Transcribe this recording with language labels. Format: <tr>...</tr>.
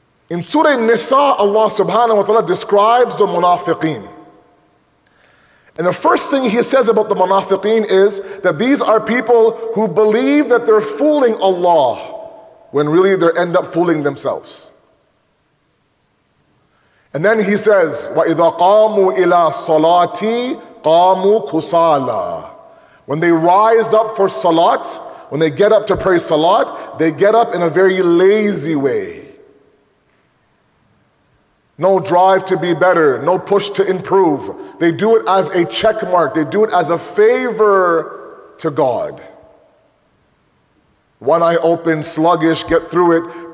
<en>In Surah Nisa, Allah subhanahu wa ta'ala describes the munafiqeen. And the first thing he says about the munafiqeen is that these are people who believe that they're fooling Allah when really they end up fooling themselves. And then he says,</en> <ar>وَإِذَا قَامُوا إِلَى صَلَاتِي قَامُوا كُسَالَى.</ar> <en>When they rise up for salat, when they get up to pray salat, they get up in a very lazy way. No drive to be better, no push to improve. They do it as a check mark. They do it as a favor to God. One eye open, sluggish, get through it.</en>